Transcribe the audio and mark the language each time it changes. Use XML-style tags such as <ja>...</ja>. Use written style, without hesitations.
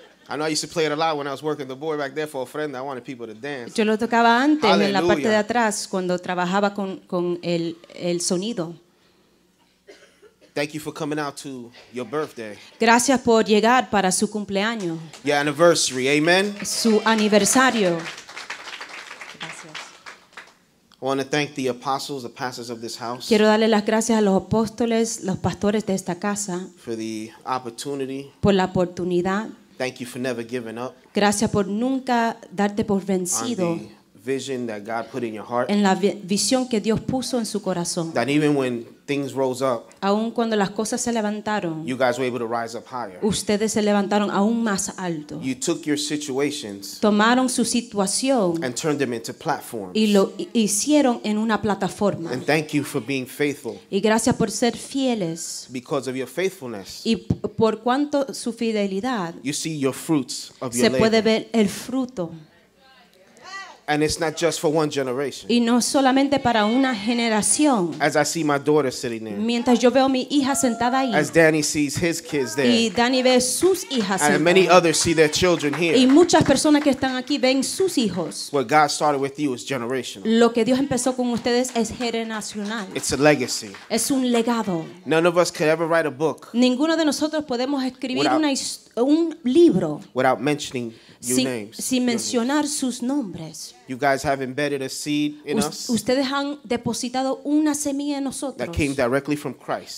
<en>I know I used to play it a lot when I was working the board back there for ofrenda. I wanted people to dance.</en> <es>Yo lo tocaba antes. Hallelujah. En la parte de atrás cuando trabajaba con el sonido.</es> <en>Thank you for coming out to your birthday.</en> <es>Gracias por llegar para su cumpleaños.</es> <en>Your anniversary, amen.</en> <es>Su aniversario.</es> <en>I want to thank the apostles, the pastors of this house.</en> <es>Quiero darle las gracias a los apóstoles, los pastores de esta casa.</es> <en>For the opportunity.</en> <es>Por la oportunidad.</es> <en>Thank you for never giving up.</en> <es>Gracias por nunca darte por vencido.</es> <en>On the vision that God put in your heart.</en> <es>En la visión que Dios puso en su corazón.</es> <en>That even when things rose up.</en> <es>Aun cuando las cosas se levantaron.</es> <en>You guys were able to rise up higher.</en> <es>Ustedes se levantaron aún más alto.</es> <en>You took your situations.</en> <es>Tomaron su situación.</es> <en>And turned them into platforms.</en> <es>Y lo hicieron en una plataforma.</es> <en>And thank you for being faithful.</en> <es>Y gracias por ser fieles.</es> <en>Because of your faithfulness.</en> <es>Y por cuanto su fidelidad.</es> <en>You see your fruits of your labor.</en> <es>Se puede ver el fruto.</es> <en>And it's not just for one generation.</en> <es>Y no solamente para una generación.</es> <en>As I see my daughter sitting there.</en> <es>Mientras yo veo mi hija sentada ahí.</es> <en>As Danny sees his kids there.</en> <es>Y Danny ve sus hijas.</es> <en>And many others see their children here.</en> <es>Y muchas personas que están aquí ven sus hijos.</es> <en>What God started with you is generational.</en> <es>Lo que Dios empezó con ustedes es generacional.</es> <en>It's a legacy.</en> <es>Es un legado.</es> <en>None of us could ever write a book.</en> <es>Ninguno de nosotros podemos escribir un libro.</es> <en>Without mentioning.</en> <es>Sin mencionar sus nombres.</es> <en>You guys have embedded a seed in us.</en> <es>Ustedes han depositado una semilla en nosotros.</es> <en>That came directly from Christ.</en>